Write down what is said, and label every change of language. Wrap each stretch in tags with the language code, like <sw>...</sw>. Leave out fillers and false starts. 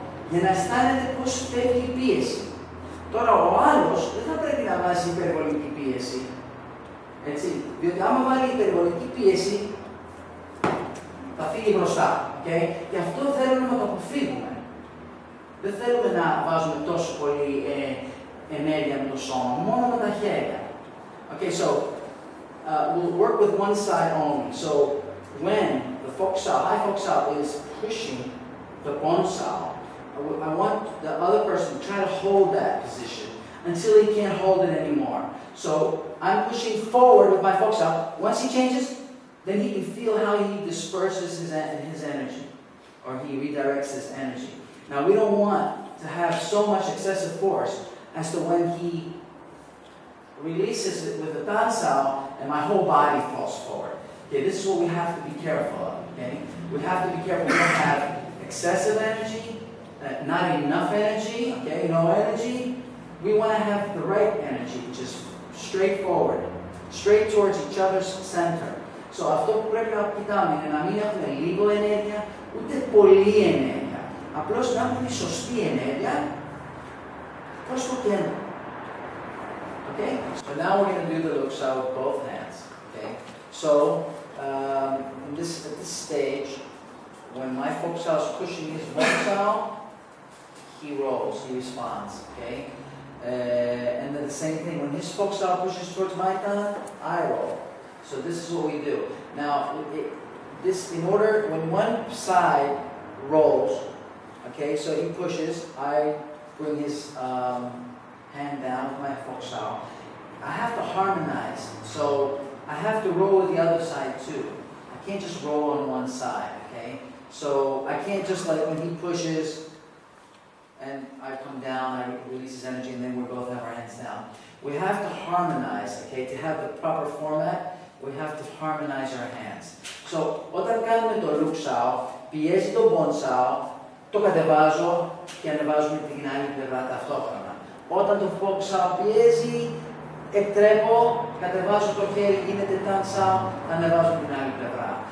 <el>Για να αισθάνεται πώς φεύγει η πίεση. Τώρα ο άλλος δεν θα πρέπει να βάζει υπερβολική πίεση. Έτσι. Διότι άμα βάλει υπερβολική πίεση, θα φύγει μπροστά.</el> <en>Okay?</en> <el>Και αυτό θέλουμε να το αποφύγουμε. Δεν θέλουμε να βάζουμε τόσο πολύ ενέργεια με το σώμα, μόνο με τα χέρια.</el> <en>Okay, so, we'll work with one side only. So, when the fox sao, high fox sao is pushing the bon sao, I want the other person to try to hold that position until he can't hold it anymore. So, I'm pushing forward with my fox sao. Once he changes, then he can feel how he disperses his energy, or he redirects his energy. Now, we don't want to have so much excessive force as to when he releases it with the dan sao, and my whole body falls forward. Okay, this is what we have to be careful of, okay? We have to be careful we don't have excessive energy, not enough energy, okay, no energy. We want to have the right energy, which is straight forward, straight towards each other's center. So</en> <el>αυτό που πρέπει να κοιτάμε είναι να μην έχουμε λίγο ενέργεια, ούτε πολλή ενέργεια. Απλώς να έχουμε σωστή ενέργεια προς το κέντρο.</el> <en>Okay? So now we're going to do the luxa with both hands. Okay? So, this, at this stage, when my foxa is pushing his foxa, he rolls, he responds. Okay? And then the same thing, when his foxa pushes towards my tan, I roll. So this is what we do. Now, this in order, when one side rolls, okay, so he pushes, I bring his hand down with my foxa. I have to harmonize, so I have to roll with the other side too. I can't just roll on one side, okay? So I can't just like when he pushes and I come down, I release his energy, and then we both have our hands down. We have to harmonize, okay, to have the proper format. We have to harmonize our hands. So,</en> <el>όταν κάνουμε το λουξάο, πιέζει το μπονσάο, το κατεβάζω και ανεβάζουμε την άλλη πλευρά ταυτόχρονα. Όταν το φόξάο πιέζει, εκτρέπω, κατεβάζω το χέρι, γίνεται τανσάο, ανεβάζω την άλλη πλευρά.</el>